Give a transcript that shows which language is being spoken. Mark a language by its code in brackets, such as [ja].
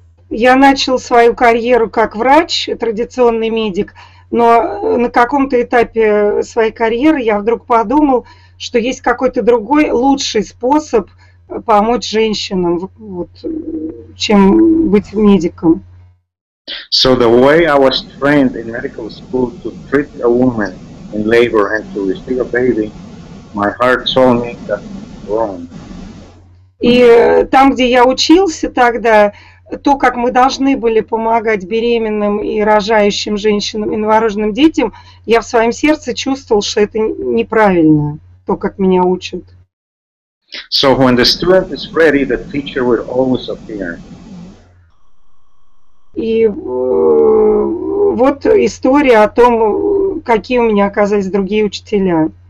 [ru] Я начал свою карьеру как врач, традиционный медик, но на каком-то этапе своей карьеры я вдруг подумал, что есть какой-то другой лучший способ помочь женщинам, вот, чем быть медиком. [en] So the way I was trained in medical school to treat a woman in labor and to receive a baby, my heart told me that's wrong. [ru] И там, где я учился тогда, то, как мы должны были помогать беременным и рожающим женщинам и новорожденным детям, я в своем сердце чувствовал, что это неправильно, то, как меня учат. [en] So when the student is ready, the teacher will always appear. [ru] И вот история о том, какие у меня оказались другие учителя.